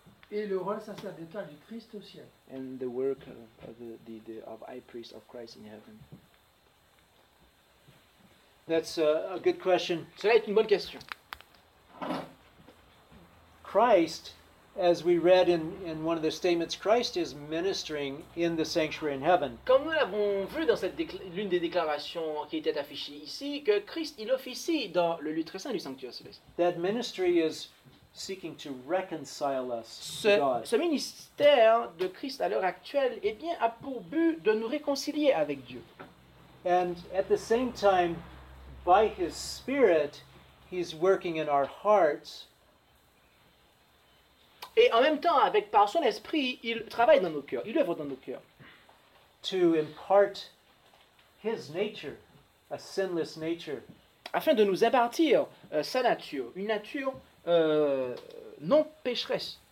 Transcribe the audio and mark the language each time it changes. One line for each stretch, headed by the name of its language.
French: Et le rôle sacerdotal du Christ au ciel.
English: And the work of the of high priest of Christ in heaven. That's a good question.
French: Cela est une bonne question.
English: Christ, as we read in one of the statements, Christ is ministering in the sanctuary in heaven.
French: Comme nous l'avons vu dans cette l'une des déclarations qui était affichée ici, que Christ il officie dans le lieu très saint du sanctuaire céleste.
English: That ministry is seeking to reconcile us
French: ce,
English: to God.
French: Ce ministère de Christ à l'heure actuelle, eh bien, a pour but de nous réconcilier avec Dieu.
English: And at the same time, by His Spirit, He's working in our hearts.
French: Et en même temps, avec par son esprit, il travaille dans nos cœurs, il œuvre dans nos cœurs.
English: To impart his nature, a sinless nature.
French: Afin de nous impartir sa nature, une nature non pécheresse.